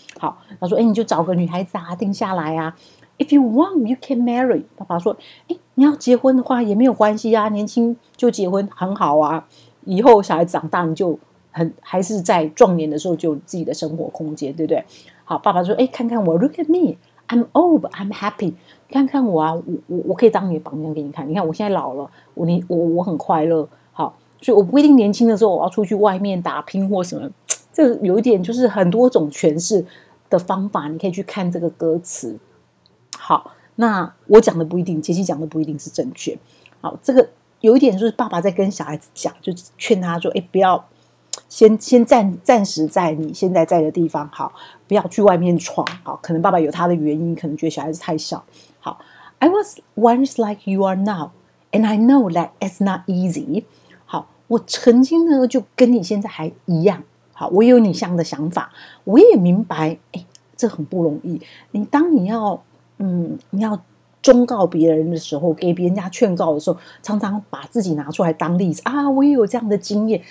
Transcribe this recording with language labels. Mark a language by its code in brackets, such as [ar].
[zh] 好，他说，哎，你就找个女孩子啊，定下来啊。 [en] If you want, you can marry。 [zh] 爸爸说，哎，你要结婚的话也没有关系啊，年轻就结婚很好啊，以后小孩长大你就还是在壮年的时候就有自己的生活空间，对不对？好，爸爸说，哎，看看我 ， [en] Look at me, I'm old, but I'm happy。 [zh] 看看我啊，我可以当你的榜样给你看。你看我现在老了，我很快乐。好，所以我不一定年轻的时候我要出去外面打拼或什么。这有一点就是很多种诠释的方法，你可以去看这个歌词。好，那我讲的不一定，杰西讲的不一定是正确。好，这个有一点就是爸爸在跟小孩子讲，就劝他说，哎，不要。先暂时在你现在在的地方，好，不要去外面闯，好，可能爸爸有他的原因，可能觉得小孩子太小。好 ， [en] I was once like you are now, and I know that it's not easy。 [zh] 好，我曾经呢就跟你现在还一样，好，我有你像的想法，我也明白，哎，这很不容易。你当你要你要忠告别人的时候，给别人家劝告的时候，常常把自己拿出来当例子啊，我也有这样的经验。